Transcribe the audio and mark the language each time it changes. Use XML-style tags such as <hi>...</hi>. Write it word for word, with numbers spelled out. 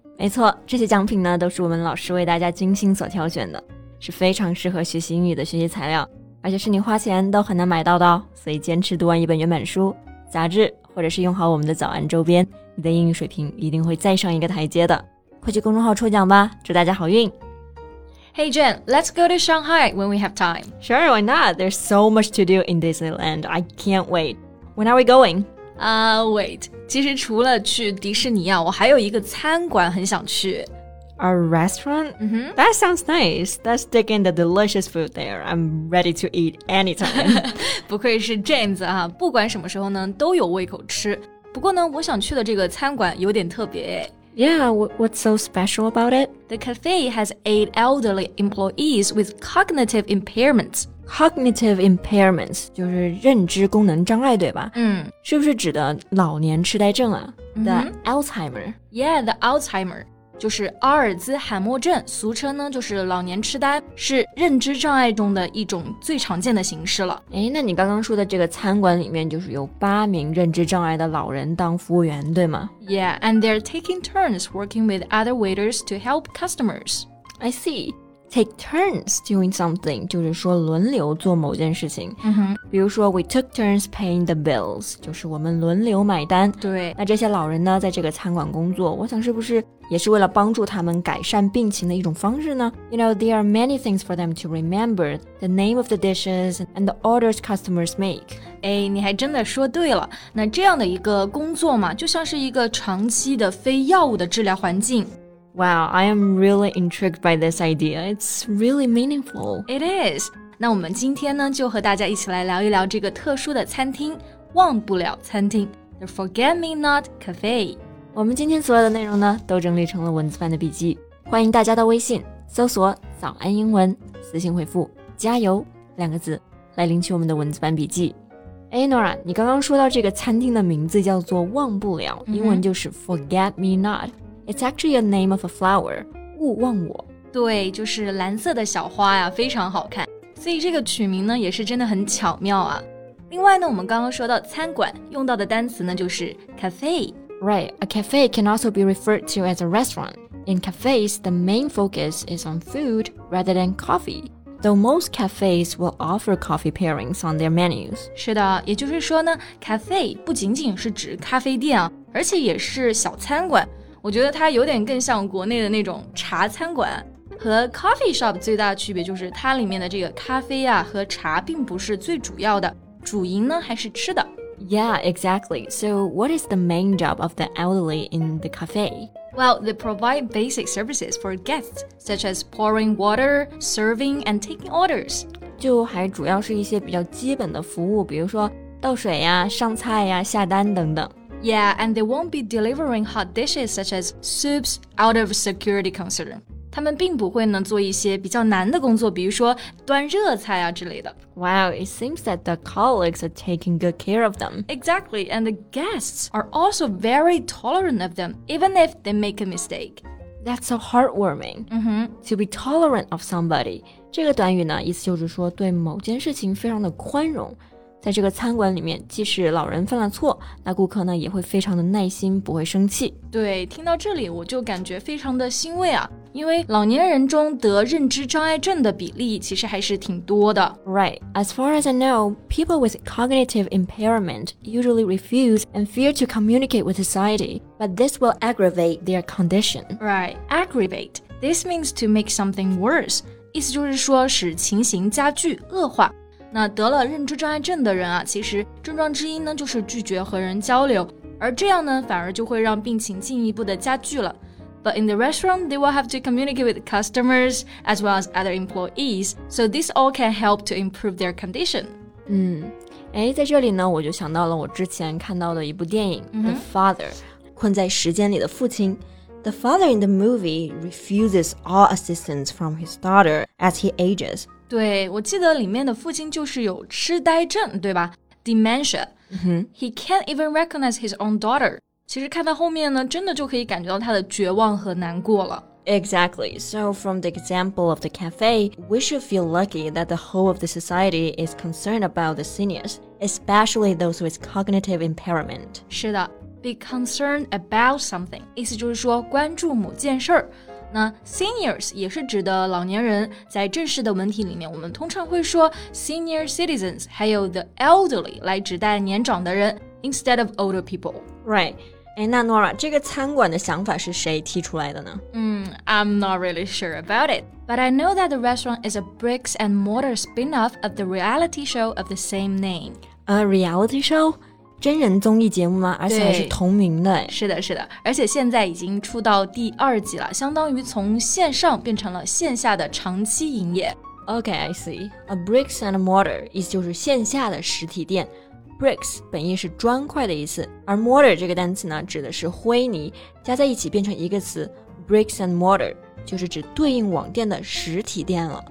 <zh>没错，这些奖品呢，都是我们老师为大家精心所挑选的，是非常适合学习英语的学习材料。而且是你花钱都很难买到的哦，所以坚持读完一本原版书、杂志，或者是用好我们的早安周边，你的英语水平一定会再上一个台阶的。快去公众号抽奖吧，祝大家好运。</zh> <en>Hey Jen, let's go to Shanghai when we have time. Sure, why not? There's so much to do in Disneyland. I can't wait. When are we going? Uh, wait.</en> <zh>其实除了去迪士尼啊，我还有一个餐馆很想去。</zh> <en>A restaurant? Mm-hmm. That sounds nice. Let's dig in the delicious food there. I'm ready to eat anytime.</en> <zh>不愧是 James 啊，不管什么时候呢都有胃口吃。不过呢，我想去的这个餐馆有点特别。</zh> <en>Yeah, what's so special about it? The cafe has eight elderly employees with cognitive impairments.</en> <zh>Cognitive impairments 就是认知功能障碍，对吧？嗯，是不是指的老年痴呆症啊？</zh> <en>The Alzheimer. Yeah, the Alzheimer.</en> <zh>就是阿尔兹海默症，俗称呢就是老年痴呆，是认知障碍中的一种最常见的形式了。诶，那你刚刚说的这个餐馆里面就是有八名认知障碍的老人当服务员，对吗？</zh> <en>Yeah, and they're taking turns working with other waiters to help customers. I see. Take turns doing something</en> <zh>就是说轮流做某件事情。嗯哼，比如说</zh> <en>we took turns paying the bills</en> <zh>就是我们轮流买单。对，那这些老人呢在这个餐馆工作，我想是不是也是为了帮助他们改善病情的一种方式呢？</zh> <en>You know, there are many things for them to remember. The name of the dishes and the orders customers make.</en> <zh>哎，你还真的说对了。那这样的一个工作嘛，就像是一个长期的非药物的治疗环境。</zh> <en>Wow, I am really intrigued by this idea. It's really meaningful. It is.</en> <zh>那我们今天呢，就和大家一起来聊一聊这个特殊的餐厅——忘不了餐厅 The Forget-Me-Not Cafe。我们今天所有的内容呢，都整理成了文字版的笔记。欢迎大家到微信搜索“早安英文”，私信回复“加油”两个字来领取我们的文字版笔记。哎 ，Nora， 你刚刚说到这个餐厅的名字叫做“忘不了”，英文就是 “Forget-Me-Not”。</zh> <en>It's actually a name of a flower,</en> <zh>勿忘我。对，就是蓝色的小花呀，非常好看。所以这个取名呢，也是真的很巧妙啊。另外呢，我们刚刚说到餐馆用到的单词呢，就是 cafe。</zh> <en>Right, a cafe can also be referred to as a restaurant. In cafes, the main focus is on food rather than coffee. Though most cafes will offer coffee pairings on their menus.</en> <zh>是的，也就是说呢 ,cafe 不仅仅是指咖啡店啊，而且也是小餐馆。我觉得它有点更像国内的那种茶餐馆，和 coffee shop 最大的区别就是它里面的这个咖啡啊和茶并不是最主要的，主营呢还是吃的。</zh> <en>Yeah, exactly. So what is the main job of the elderly in the cafe? Well, they provide basic services for guests, such as pouring water, serving, and taking orders.</en> <zh>就还主要是一些比较基本的服务，比如说倒水呀、上菜呀、下单等等。</zh> <en>Yeah, and they won't be delivering hot dishes such as soups out of security concern.</en> <zh>他们并不会呢做一些比较难的工作，比如说端热菜啊之类的。</zh> <en>Wow, it seems that the colleagues are taking good care of them. Exactly, and the guests are also very tolerant of them, even if they make a mistake. That's so heartwarming. Mm-hmm. To be tolerant of somebody.</en> <zh>这个短语呢，意思就是说对某件事情非常的宽容。在这个餐馆里面，即使老人犯了错，那顾客呢也会非常的耐心，不会生气。对，听到这里我就感觉非常的欣慰啊，因为老年人中得认知障碍症的比例其实还是挺多的。</zh> <en>Right, as far as I know, people with cognitive impairment usually refuse and fear to communicate with society, but this will aggravate their condition. Right, aggravate. This means to make something worse.</en> <zh>意思就是说使情形加剧、恶化。那得了认知障碍症的人啊，其实症状之一呢就是拒绝和人交流，而这样呢反而就会让病情进一步的加剧了。</zh> <en>But in the restaurant, they will have to communicate with customers as well as other employees, so this all can help to improve their condition.</en> <zh>嗯，诶，在这里呢，我就想到了我之前看到的一部电影，嗯哼， 《The Father》，困在时间里的父亲。</zh> <en>The father in the movie refuses all assistance from his daughter as he ages.</en> <zh>对，我记得里面的父亲就是有痴呆症，对吧？</zh> <en>dementia. He can't even recognize his own daughter.</en> <zh>其实看到后面呢，真的就可以感觉到他的绝望和难过了。</zh> <en>Exactly. So from the example of the cafe, we should feel lucky that the whole of the society is concerned about the seniors, especially those with cognitive impairment.</en> <zh>是的</zh> <en>be concerned about something.</en> <zh>意思就是说关注某件事儿。那 seniors 也是指的老年人，在正式的文体里面，我们通常会说 senior citizens 还有 the elderly 来指代年长的人</zh> <en>instead of older people. Right.</en> <zh>哎，那 Nora， 这个餐馆的想法是谁提出来的呢？</zh> <en>嗯 I'm not really sure about it, but I know that the restaurant is a bricks and mortar spin-off of the reality show of the same name. A reality show?</en> <zh>真人综艺节目吗？而且还是同名的。是的，是的，而且现在已经出到第二季了，相当于从线上变成了线下的长期营业。</zh> <en>Okay, I see.</en> <zh>A bricks and mortar 意思就是线下的实体店。 Bricks 本意是砖块的意思，而 mortar 这个单词呢，指的是灰泥，加在一起变成一个词 bricks and mortar， 就是指对应网店的实体店了。</zh>